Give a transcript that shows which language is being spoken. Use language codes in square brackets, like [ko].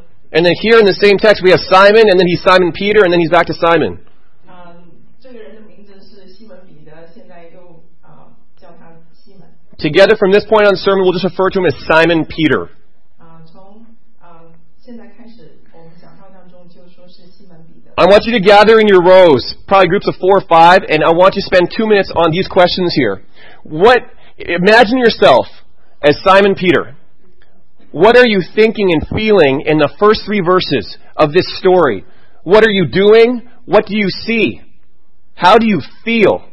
[en] And then here in the same text, we have Simon, and then he's Simon Peter, and then he's back to Simon. Together from this point on the sermon, we'll just refer to him as Simon Peter. [zh] From, 现在开始, 我们讲到当中就说是西门彼得, [en] I want you to gather in your rows, probably groups of four or five, and I want you to spend 2 minutes on these questions here. What? Imagine yourself as Simon Peter. What are you thinking and feeling in the first three verses of this story? What are you doing? What do you see? How do you feel?